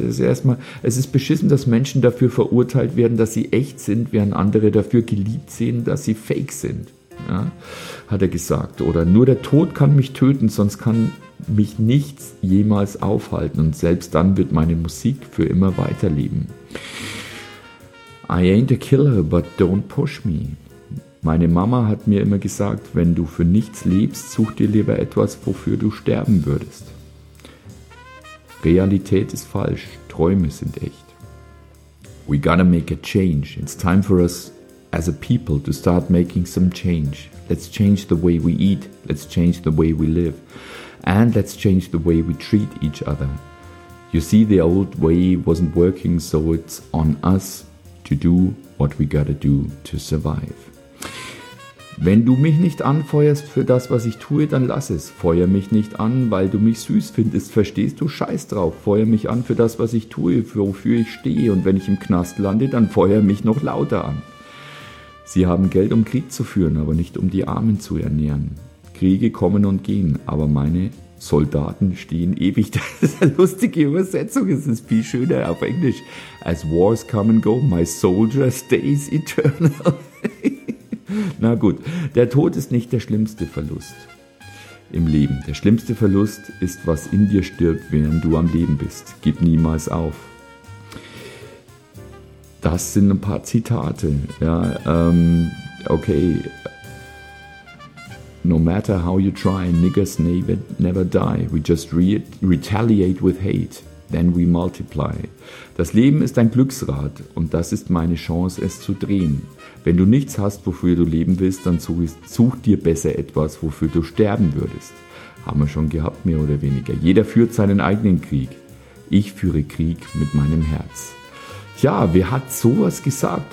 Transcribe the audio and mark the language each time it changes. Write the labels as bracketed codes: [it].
[de] Es ist beschissen, dass Menschen dafür verurteilt werden, dass sie echt sind, während andere dafür geliebt sehen, dass sie fake sind, ja, hat er gesagt. Oder nur der Tod kann mich töten, sonst kann mich nichts jemals aufhalten und selbst dann wird meine Musik für immer weiterleben. [en] I ain't a killer, but don't push me. [de] Meine Mama hat mir immer gesagt, wenn du für nichts lebst, such dir lieber etwas, wofür du sterben würdest. Realität ist falsch, Träume sind echt. [en] We gotta make a change. It's time for us as a people to start making some change. Let's change the way we eat, let's change the way we live, and let's change the way we treat each other. You see, the old way wasn't working, so it's on us to do what we gotta do to survive. [de] Wenn du mich nicht anfeuerst für das, was ich tue, dann lass es. Feuer mich nicht an, weil du mich süß findest. Verstehst du? Scheiß drauf. Feuer mich an für das, was ich tue, für wofür ich stehe. Und wenn ich im Knast lande, dann feuer mich noch lauter an. Sie haben Geld, um Krieg zu führen, aber nicht, um die Armen zu ernähren. Kriege kommen und gehen, aber meine Soldaten stehen ewig. Das ist eine lustige Übersetzung. Es ist viel schöner auf Englisch. [en] As wars come and go, my soldier stays eternal. [de] Na gut, der Tod ist nicht der schlimmste Verlust im Leben. Der schlimmste Verlust ist, was in dir stirbt, während du am Leben bist. Gib niemals auf. Das sind ein paar Zitate. Ja, okay. [en] No matter how you try, niggas never die. We just retaliate with hate. Then we multiply. [de] Das Leben ist ein Glücksrad und das ist meine Chance, es zu drehen. Wenn du nichts hast, wofür du leben willst, dann such dir besser etwas, wofür du sterben würdest. Haben wir schon gehabt, mehr oder weniger. Jeder führt seinen eigenen Krieg. Ich führe Krieg mit meinem Herz. Tja, wer hat sowas gesagt?